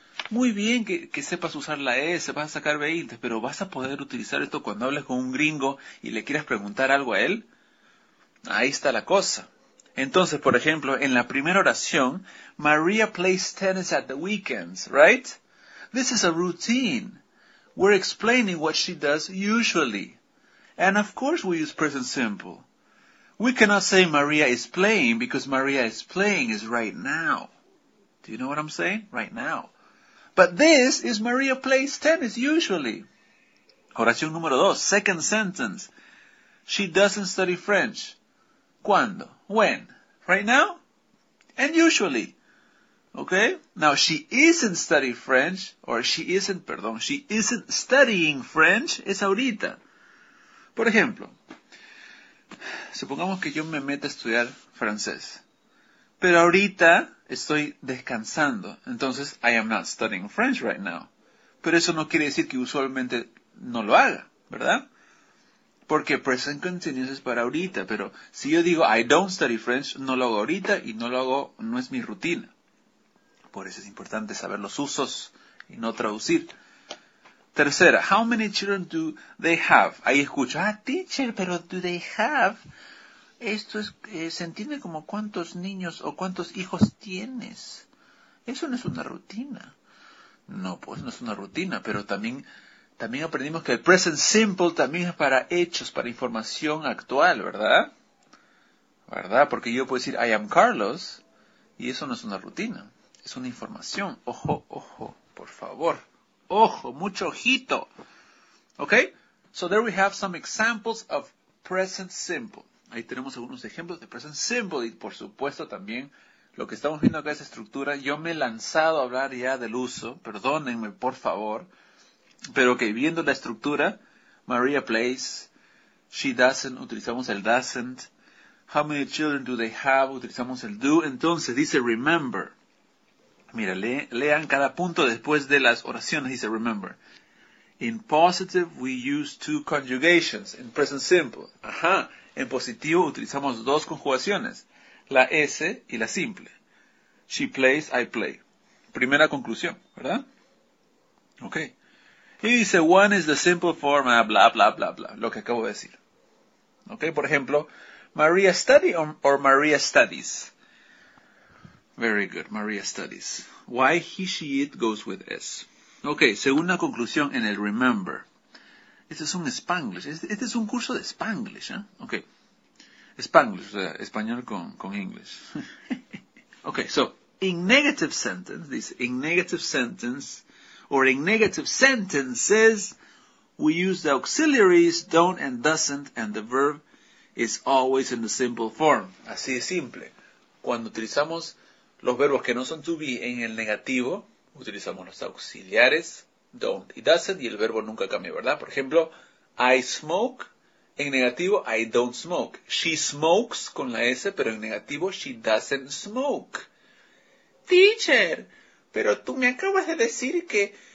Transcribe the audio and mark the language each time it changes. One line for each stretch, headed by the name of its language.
Spanish: Muy bien que sepas usar la S, vas a sacar 20, pero ¿vas a poder utilizar esto cuando hables con un gringo y le quieras preguntar algo a él? Ahí está la cosa. Entonces, por ejemplo, en la primera oración,
English: Maria plays tennis at the weekends, right? This is a routine. We're explaining what she does usually. And of course we use present simple. We cannot say Maria is playing because Maria is playing is right now. Do you know what I'm saying? Right now. But this is Maria plays tennis usually.
Spanish: Oración número dos,
English: second sentence. She doesn't study French. ¿Cuándo? When? Right now? And usually. Okay? Now she isn't studying French, or she isn't, perdón, she isn't studying French,
Spanish: es ahorita. Por ejemplo, supongamos que yo me meto a estudiar francés, pero ahorita estoy descansando, entonces
English: I am not studying French right now.
Spanish: Pero eso no quiere decir que usualmente no lo haga, ¿verdad? Porque present continuous es para ahorita, pero si yo digo
English: I don't study French,
Spanish: no lo hago ahorita y no lo hago, no es mi rutina. Por eso es importante saber los usos y no traducir.
English: Tercera, how many children do they have?
Spanish: Ahí escucho, ah, teacher, pero
English: do they have?
Spanish: Esto es, se entiende como cuántos niños o cuántos hijos tienes. Eso no es una rutina. No, pues no es una rutina, pero también aprendimos que el present simple también es para hechos, para información actual, ¿verdad? ¿Verdad? Porque yo puedo decir,
English: I am Carlos,
Spanish: y eso no es una rutina, es una información. Ojo, ojo, por favor. Ojo, mucho ojito. ¿Ok?
English: So there we have some examples of present simple.
Spanish: Ahí tenemos algunos ejemplos de present simple y por supuesto también lo que estamos viendo acá es estructura. Yo me he lanzado a hablar ya del uso, perdónenme por favor, pero que okay, viendo la estructura,
English: Maria plays, she doesn't,
Spanish: utilizamos el doesn't,
English: how many children do they have,
Spanish: utilizamos el do, entonces dice remember. Mira, lean cada punto después de las oraciones, dice remember.
English: In positive, we use two conjugations, in present simple. Ajá.
Spanish: En positivo utilizamos dos conjugaciones, la S y la simple.
English: She plays, I play.
Spanish: Primera conclusión, ¿verdad? Ok. Y dice,
English: one is the simple form,
Spanish: bla, bla, bla, bla, bla, lo que acabo de decir. Ok, por ejemplo,
English: Maria study or Maria studies. Very good, Maria studies. Why he, she, it goes with S.
Spanish: Ok, segunda conclusión en el remember. Este es un Spanglish. Este es un curso de Spanglish, ¿eh? Ok. Spanglish, o sea, español con inglés.
English: Ok, so, in negative sentence, this in negative sentence, or in negative sentences, we use the auxiliaries don't and doesn't, and the verb is always in the simple form.
Spanish: Así de simple. Cuando utilizamos los verbos que no son to be en el negativo, utilizamos los auxiliares. Don't y doesn't, y el verbo nunca cambia, ¿verdad? Por ejemplo,
English: I smoke,
Spanish: en negativo,
English: I don't smoke. She smokes con la S, pero en negativo, she doesn't smoke. Teacher,
Spanish: pero tú me acabas de decir que